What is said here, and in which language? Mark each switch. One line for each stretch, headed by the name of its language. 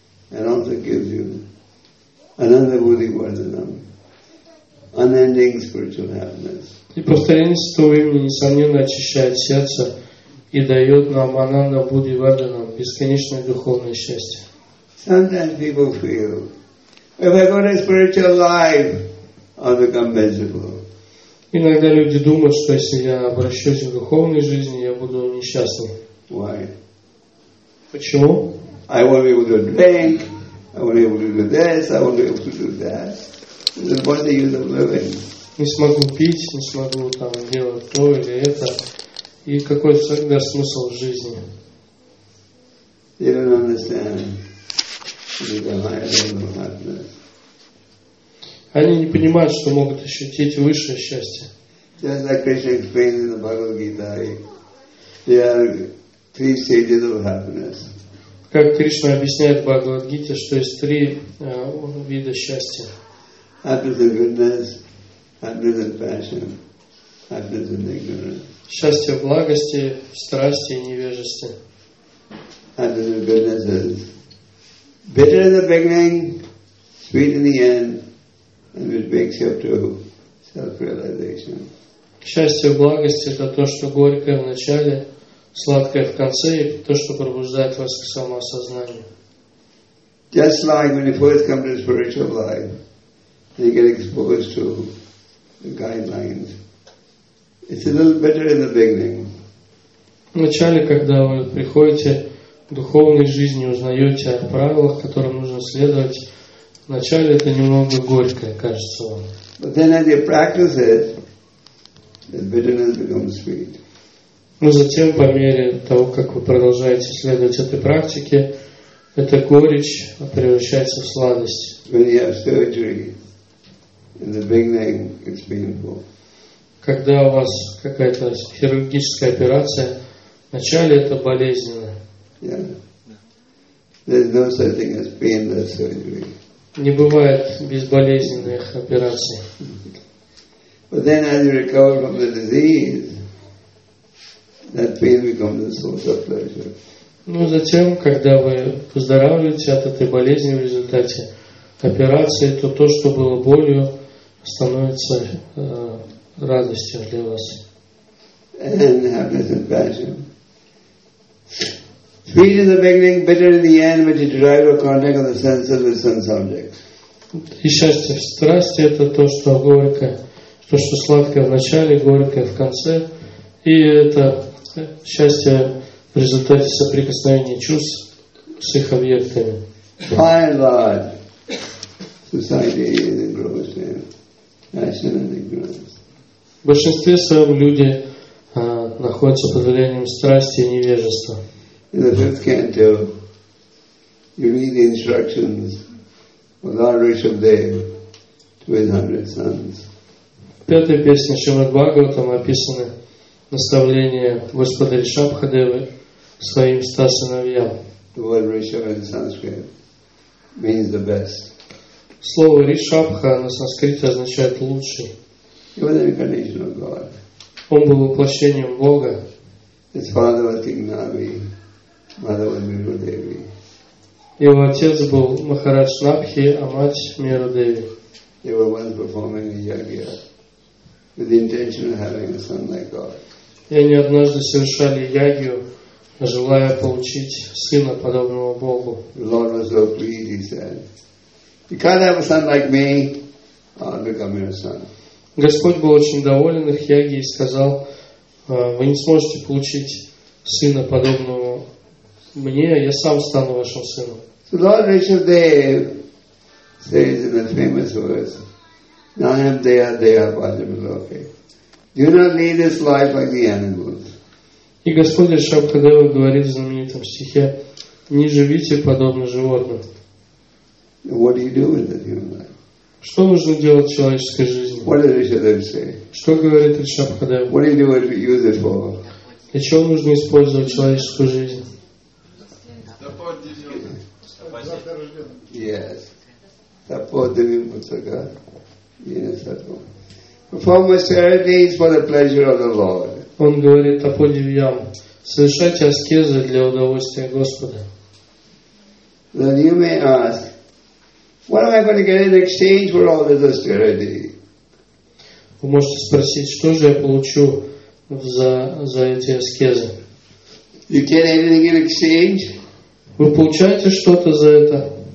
English: And also gives you another bodhi-vardhanam, unending spiritual happiness.
Russian: И повторение Святого Имени несомненно очищает сердце и дает нам ананда бодхи-вардханам, бесконечное духовное счастье.
English: Sometimes people feel, if I got a spiritual life, I'll become miserable.
Russian: Иногда люди думают, что если я обращусь в духовной жизни, я буду несчастным.
English: Why?
Russian: Почему?
English: I won't be able to drink, I won't be able to do this, I won't be able to do that. What's the use of living?
Russian: Не смогу пить, не смогу там делать то или это. И какой тогда смысл в жизни?
English: They don't understand the higher level of happiness.
Russian: Они не понимают, что могут ощутить высшее счастье.
English: Just like Krishna explained in the Bhagavad Gita, there are three stages of happiness.
Russian: Как Кришна объясняет в Бхагавад-гите, что есть три вида счастья.
English: Happiness and goodness, happiness and passion, happiness and ignorance.
Russian: Счастье в благости, в страсти и невежестве.
English: Happiness and goodness is bitter in the beginning, sweet in the end, and which makes you up to self-realization.
Russian: Счастье в благости – это то, что горькое в начале, сладкое в конце и то, что пробуждает вас к самоосознанию.
English: Just like when you first come to spiritual life, you get exposed to the guidelines. It's a little bitter in the beginning.
Russian: Вначале, когда вы приходите в духовной жизни, узнаете о правилах, которым нужно следовать, вначале это немного горько, кажется вам.
English: But then as you practice it, bitterness becomes sweet.
Russian: Но затем, по мере того, как вы продолжаете следовать этой практике, эта горечь превращается в сладость.
English: When you have surgery in the beginning, it's painful.
Russian: Когда у вас какая-то хирургическая операция, вначале это болезненно.
English: Yeah. There's no such thing as painless surgery.
Russian: Не бывает безболезненных операций.
English: But then, as you recover from the disease, that pain becomes a source of pleasure.
Russian: Ну затем, когда вы выздоравливаете от этой болезни в результате операции, то то, что было болью, становится радостью для вас.
English: And happiness and passion. Sweet in the beginning, bitter in the end, when you derive your contact on the senses with sense objects.
Russian: И счастье в страсти — это то, что горько, то, что сладкое в начале, горькое в конце, и это счастье в результате соприкосновения чувств с их объектами.
English: By and large, society is in gross passion and ignorance.
Russian: В большинстве своем люди находятся под влиянием страсти и невежества.
English: In the fifth canto, you read the instructions of Lord Rishabhdeva to his 100 sons.
Russian: В пятой песне Шримад Бхагаватам описаны наставления Господа Ришабхадевы своим 100 сыновьям.
English: The word Rishabha in Sanskrit means the best.
Russian: Слово Ришабха на санскрите означает лучший.
English: He was the incarnation of God.
Russian: Он был воплощением Бога.
English: His father was Tignavi. Mother was Meera Devi.
Russian: Его отец был Махарадж Набхи, а мать Меру Деви.
English: They were once performing a yagya with the intention of having a son like God.
Russian: И они однажды совершали ягью, желая получить сына подобного Богу.
English: Lord was so pleased, he said, "You can't have a son like me. I'll become your son."
Russian: Господь был очень доволен их яги и сказал: "Вы не сможете получить сына подобного мне, я сам стану вашим сыном."
English: So Lord Rishabhdev says in his famous words,
Sanskrit: "Nayam deya deya padamiloke.
English: Do not lead this life like the animals."
Russian: И Господь Ришабхадева говорит в знаменитом стихе: "Не живите подобно животным."
English: What do you do with that human life?
Russian: Что нужно делать в человеческой жизни?
English: What does Rishabhdev say?
Russian: Что говорит Ришабхадева?
English: What do you do with it, use it for?
Russian: Для чего нужно использовать человеческую жизнь?
English: Yes. Tapodivimutsaka. Yes, tapo. Perform austerities for the pleasure of the Lord.
Russian: Он говорит Таподивьям: совершайте аскезы для удовольствия Господа.
English: Then you may ask, what am I going to get in exchange for all this austerity?
Russian: Вы можете спросить, что же я получу за эти аскезы?
English: You get anything in exchange?
Russian: Вы получаете что-то за это?